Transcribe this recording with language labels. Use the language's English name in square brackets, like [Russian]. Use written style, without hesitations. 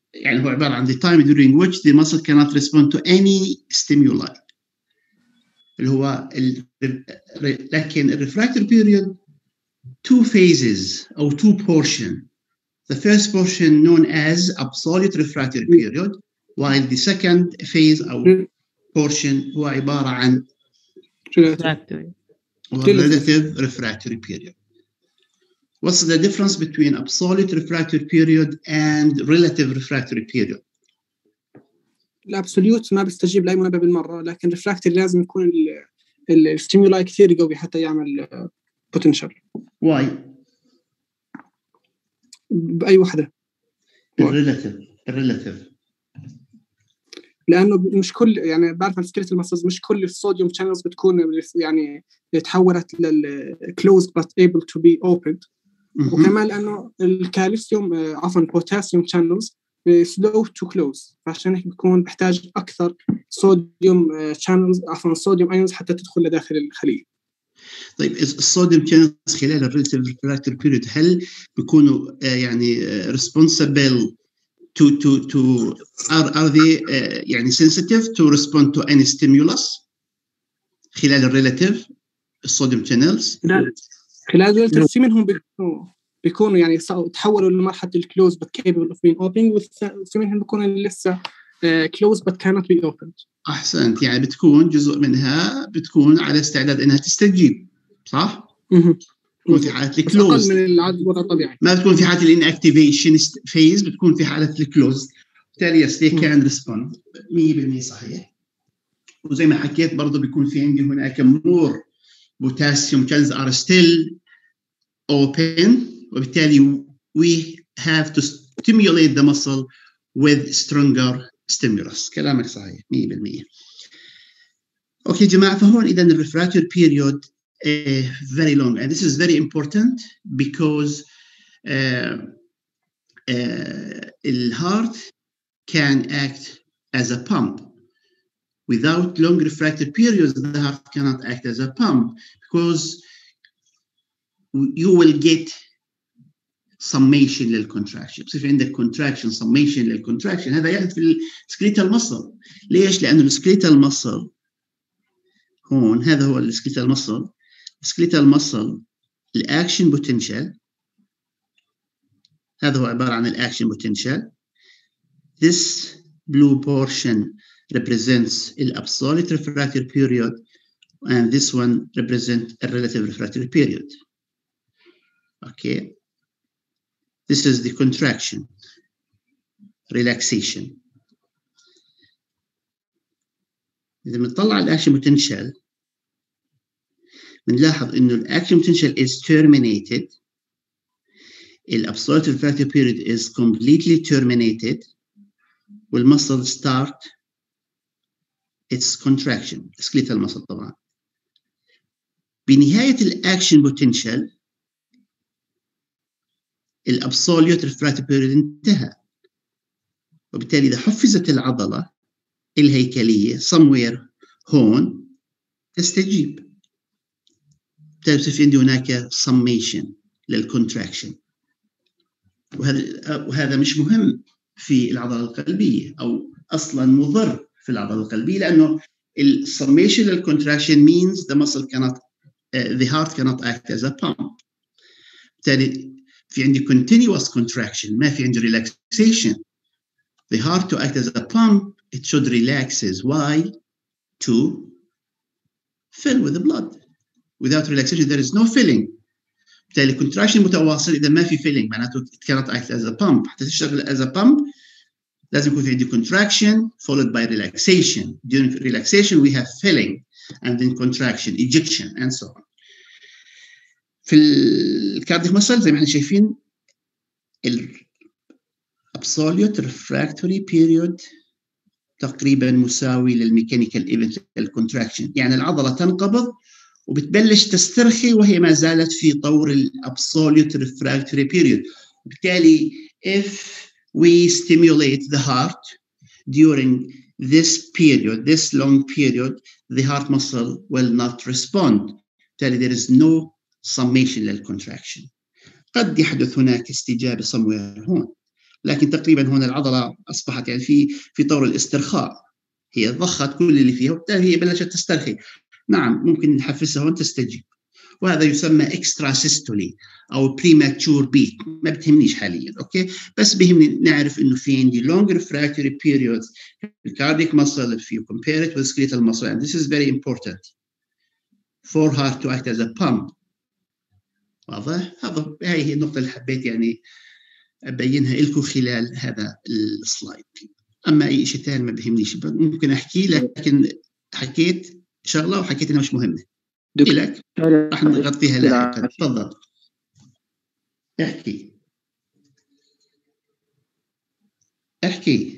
[Arabic] يعني هو عبارة عن [English] the time during which the muscle cannot respond to any stimuli. [Arabic] اللي هو لكن الريفراكتوري بيريود [English] two phases [Arabic] أو [English] two portions. The first portion known as absolute refractory period, while the second phase or portion [Arabic] هو عبارة عن [English] refractory relative refractory period. What's the difference between absolute refractory period and relative refractory period? [Arabic] الابسوليوت ما بيستجيب لأي منبه بالمرة، لكن الريفراكتري لازم يكون الستيمولاي كثير قوي حتى يعمل بوتنشال. واي؟ بأي وحدة؟ الريلاتيف. لأنه مش كل، يعني بعرف عن سكريت المصاز، مش كل الصوديوم شانلز بتكون يعني تحولت للكلوز [English] but able to be opened. [Arabic] وكمان لأنه الكالسيوم عفوا البوتاسيوم شانلز [English] slow to close، [Arabic] فعشان هيك بيكون بحتاج أكثر صوديوم channels، عفوا صوديوم أيونز حتى تدخل لداخل الخلية. [English] طيب الصوديوم channels خلال relative refractory period [Arabic] هل بيكونوا يعني [English] responsible to are they يعني sensitive to respond to any stimulus خلال relative الصوديوم channels؟ [Arabic] خلال relative في منهم بيكونوا يعني تحولوا لمرحلة الكلوز [English] but capable of being opened، [Arabic] وفي منهم بيكونوا لسه [English] closed but cannot be opened. [Arabic] أحسنت، يعني بتكون جزء منها بتكون على استعداد إنها تستجيب صح؟ بتكون في حالة الكلوز أقل من العادة الطبيعية، ما بتكون في حالة الانactivation phase، بتكون في حالة الكلوز، بالتالي [English] yes they can respond [Arabic] 100% صحيح. وزي ما حكيت برضو بيكون في عندي هناك [English] more potassium channels are still open، وبالتالي we have to stimulate the muscle with stronger stimulus. [Arabic] كلامك صحيح 100%. اوكي جماعة، فهون إذن [English] the refractory period very long and this is very important because the heart can act as a pump. Without long refractory periods the heart cannot act as a pump because you will get summation للcontraction. [Arabic] بصير عندك contraction summation للcontraction، هذا يحدث في السكريتال مصل. ليش؟ لأنه السكريتال مصل هون، هذا هو السكريتال مصل. السكريتال مصل الأكشن بوتنشال، هذا هو عبارة عن الأكشن بوتنشال. [English] This blue portion represents the absolute refractory period and this one represents the relative refractory period. Okay. This is the contraction, relaxation. [Arabic] إذا منطلع على الأكشن بوتنشال منلاحظ إنه الأكشن بوتنشال [English] is terminated. الأبسولوت refractory period is completely terminated. والمصل start its contraction. Skeletal muscle طبعا. [Arabic] بنهاية الأكشن بوتنشال الابسوليوت ريفراكتري بيريد انتهى، وبالتالي اذا حفزت العضله الهيكليه سموير هون تستجيب، تبصير عندي هناك سميشن للكونتراكشن، وهذا مش مهم في العضله القلبيه او اصلا مضر في العضله القلبيه، لانه السميشن للكونتراكشن [English] means the muscle cannot the heart cannot act as a pump. [Arabic] بالتالي في عندي [English] continuous contraction، [Arabic] ما في عندي relaxation. [English] The heart to act as a pump, it should relaxes. Why? To fill with the blood. Without relaxation, there is no filling. بالتالي contraction متواصل [Arabic] إذا ما في [English] filling، معناته it cannot act as a pump. [Arabic] حتى تشتغل [English] as a pump, [Arabic] لازم يكون في عندي [English] contraction followed by relaxation. During relaxation, we have filling and then contraction, ejection, and so on. [Arabic] في الكارديك مسل زي ما احنا شايفين الابسوليوت ريفراكتوري بيريود تقريبا مساوي للميكانيكال ايفنت الكونتراكشن، يعني العضله تنقبض وبتبلش تسترخي وهي ما زالت في طور الابسوليوت ريفراكتوري بيريود. [English] وبالتالي if we stimulate the heart during this period, this long period, the heart muscle will not respond. بالتالي there is no summation للcontraction. [Arabic] قد يحدث هناك استجابة somewhere هون، لكن تقريبا هون العضلة أصبحت يعني في طور الاسترخاء، هي ضخت كل اللي فيها وبالتالي هي بلشت تسترخي. نعم ممكن نحفزها هون تستجيب، وهذا يسمى extra systole أو premature beat، ما بتهمنيش حاليا أوكي، بس بهمني نعرف إنه في عندي [English] long refractory periods في cardiac muscle if you compare it with skeletal muscle and this is very important for heart to act as a pump. [Arabic] واضح؟ هذا هاي هي النقطة اللي حبيت يعني أبينها لكم خلال هذا السلايد. أما أي شيء ثاني ما بهمنيش، ممكن أحكي لكن حكيت شغلة وحكيت إنها مش مهمة. إلك راح نغطيها لاحقا. تفضل أحكي.